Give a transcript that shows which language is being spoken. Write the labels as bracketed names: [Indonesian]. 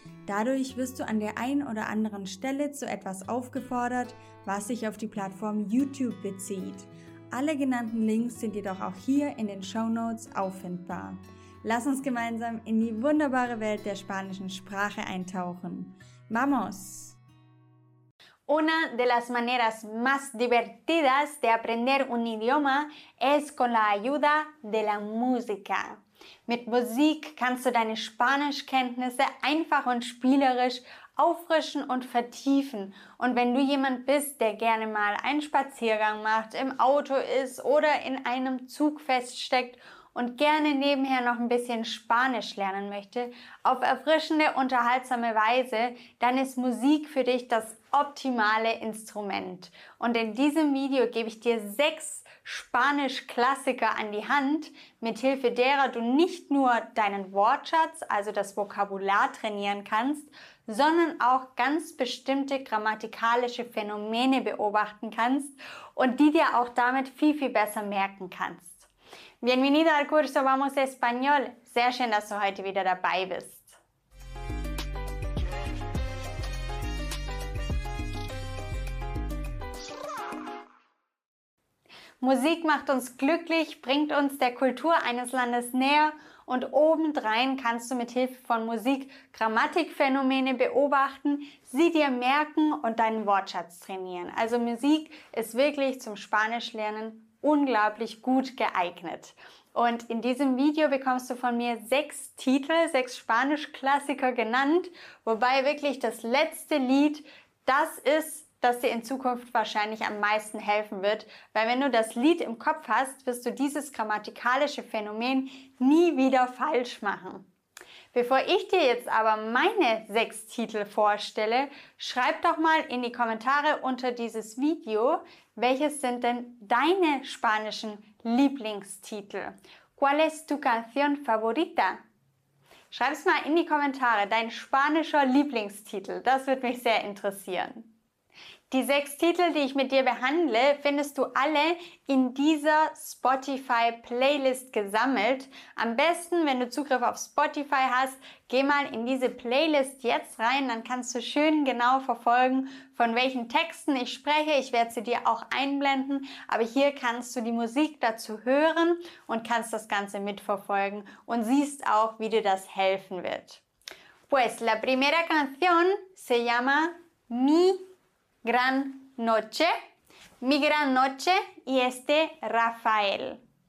[German] Dadurch wirst du an der einen oder anderen Stelle zu etwas aufgefordert, was sich auf die Plattform YouTube bezieht. Alle genannten Links sind jedoch auch hier in den Shownotes auffindbar. Lass uns gemeinsam in die wunderbare Welt der spanischen Sprache eintauchen. [Spanish] ¡Vamos! Una de las maneras más divertidas de aprender un idioma es con la ayuda de la música. [German] Mit Musik kannst du deine Spanischkenntnisse einfach und spielerisch auffrischen und vertiefen. Und wenn du jemand bist, der gerne mal einen Spaziergang macht, im Auto ist oder in einem Zug feststeckt und gerne nebenher noch ein bisschen Spanisch lernen möchte, auf erfrischende, unterhaltsame Weise, dann ist Musik für dich das optimale Instrument. Und in diesem Video gebe ich dir 6 Spanisch-Klassiker an die Hand, mithilfe derer du nicht nur deinen Wortschatz, also das Vokabular, trainieren kannst, sondern auch ganz bestimmte grammatikalische Phänomene beobachten kannst und die dir auch damit viel, viel besser merken kannst. [Spanish] Bienvenido al curso Vamos Español. [German] Sehr schön, dass du heute wieder dabei bist. Musik macht uns glücklich, bringt uns der Kultur eines Landes näher und obendrein kannst du mit Hilfe von Musik Grammatikphänomene beobachten, sie dir merken und deinen Wortschatz trainieren. Also Musik ist wirklich zum Spanischlernen unglaublich gut geeignet. Und in diesem Video bekommst du von mir 6 Titel, 6 Spanischklassiker genannt, wobei wirklich das letzte Lied, das ist, das dir in Zukunft wahrscheinlich am meisten helfen wird. Weil wenn du das Lied im Kopf hast, wirst du dieses grammatikalische Phänomen nie wieder falsch machen. Bevor ich dir jetzt aber meine 6 Titel vorstelle, schreib doch mal in die Kommentare unter dieses Video, welches sind denn deine spanischen Lieblingstitel? [Spanish] ¿Cuál es tu canción favorita? [German] Schreib es mal in die Kommentare, dein spanischer Lieblingstitel. Das würde mich sehr interessieren. Die 6 Titel, die ich mit dir behandle, findest du alle in dieser Spotify-Playlist gesammelt. Am besten, wenn du Zugriff auf Spotify hast, geh mal in diese Playlist jetzt rein, dann kannst du schön genau verfolgen, von welchen Texten ich spreche. Ich werde sie dir auch einblenden, aber hier kannst du die Musik dazu hören und kannst das Ganze mitverfolgen und siehst auch, wie dir das helfen wird. [Spanish] Pues la primera canción se llama Mi Gran Noche, Mi Gran Noche y este Rafael.